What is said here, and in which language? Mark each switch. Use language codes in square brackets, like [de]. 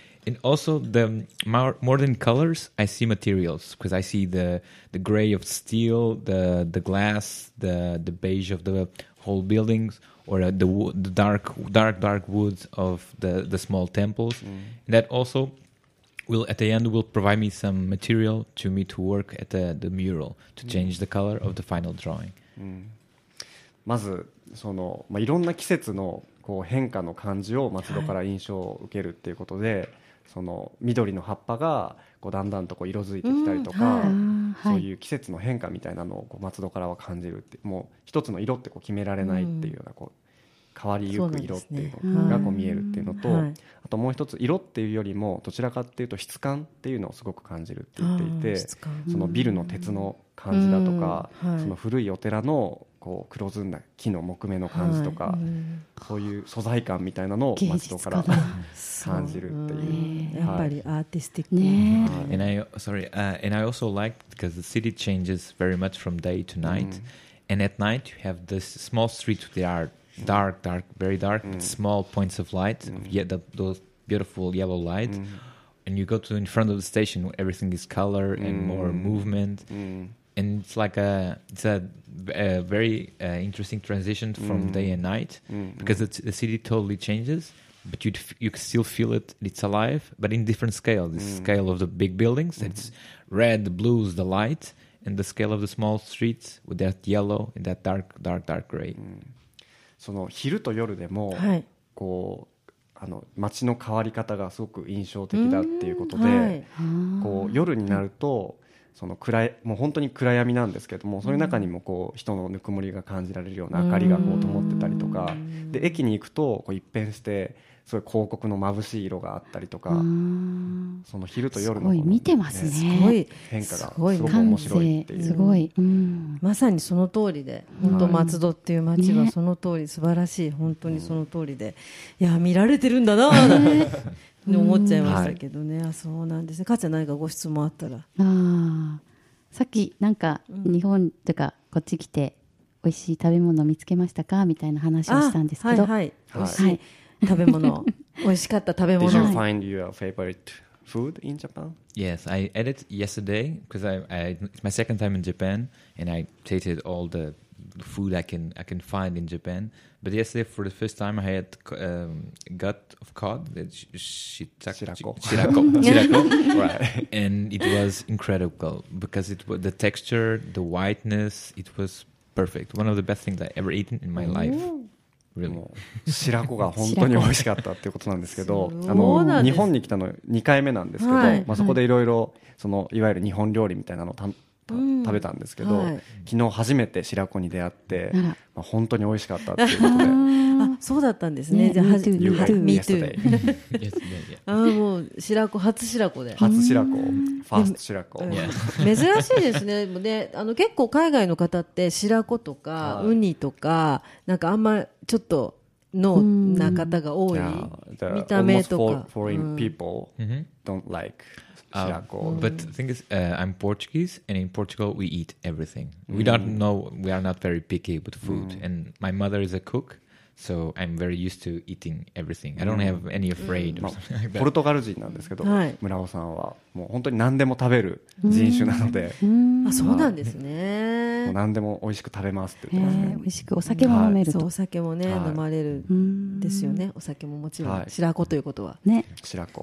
[en] And also, the more than colors, I see materials because I see the gray of steel, the glass, the beige of the whole buildings, or the dark woods of the small temples. And that also will, at the end, will provide me some material to me to work at the mural to change the color of the final drawing. [ja] まずその、まあ、いろんな季節のこう変化の感じを松戸から印象を受けるっていうことで、はい、その緑の葉っぱがこうだんだんとこう色づいてきたりとか、うん、そういう季節の変化みたいなのをこう松戸からは感じるって、もう一つの色ってこう決められないっていうようなこう変わりゆく色っていうのがこう見えるっていうのと、うん、あともう一つ色っていうよりもどちらかっていうと質感っていうのをすごく感じるって言っていて、そのビルの鉄の感じだとか、うんうん、はい、その古いお寺のこう黒ずんだ木の木目の感じとか、はい、うん、そういう素材感みたいなのを松戸から感じるっていう、やっぱりアーティスティックね、 [en] はい、and I also like because the city changes very much from day to night、うん、and at night you have this small streets that are dark very dark、うん、small points of light、うん、yet those beautiful yellow light、うん、and you go to in front of the station where everything is color and、うん、more movement、うん、and it's like a very interesting transition from day and night because the city totally changes, but you still feel it. It's alive, but in different scales. The scale of the big buildings, it's red, the blues, the light, and the scale of the small streets with that yellow and that dark, dark, dark gray. [ja] その昼と夜でも、はい、こうあの街の変わり方がすごく印象的だっていうことで、はい、こう夜になるとその暗いもう本当に暗闇なんですけども、その中にもこう人のぬくもりが感じられるような明かりがこう灯ってたりとか、で駅に行くとこう一変してすごい広告の眩しい色があったりとか、その昼と夜 の, の、ね、すごい見てますね、すごい変化がすごく面白いっていう、すごい、まさにその通りで、本当松戸っていう街はその通り、素晴らしい、本当にその通りで、いや見られてるんだなぁ思っちゃいましたけどね、はい、あそうなんですね。かつて何かご質問あったら、あさっきなんか日本とかこっち来て美味しい食べ物見つけましたかみたいな話をしたんですけど、はいはい、美味しい、はい、食べ物美味しかった食べ物。 [en] Did you find your favorite food in Japan? Yes, I ate it yesterday because it's my second time in Japan and I tasted all the food I can find in Japan. But yesterday for the first time I had gut of cod, shirako. Right. And it was incredible because it was the texture, the whiteness, it was perfect. One of the best things I ever eaten in my life. Really. [ja] Shirako が本当に美味しかったっていうことなんですけど、あの日本に来たの2回目なんですけど、まあそこでいろいろそのいわゆる日本料理みたいなのを食べたんですけど、はい、昨日初めて白子に出会って、まあ、本当に美味しかったっていうことで、あそうだったんですね。じゃあ初めて、あもう白子、初白子で、初白子、ファースト白子、珍しいですね。でもね、あの結構海外の方って白子とか、はい、ウニとかなんかあんまちょっとのな方が多い、見た目とか、 [en] foreign people don't like。 But the thing is, I'm Portuguese, and in Portugal, we eat everything. We don't know, we are not very picky with food. And my mother is a cook, so I'm very used to eating everything. I don't have any afraid or something like that. [ja] ポルトガル人なんですけど、はい、村尾さんはもう本当に何でも食べる人種なので、あ、そうなんですね。もう何でも美味しく食べますって言ってますね。美味しくお酒も飲めると、はい、そうお酒もね、はい、飲まれるですよね。お酒ももちろん、はい、白子ということはね、白子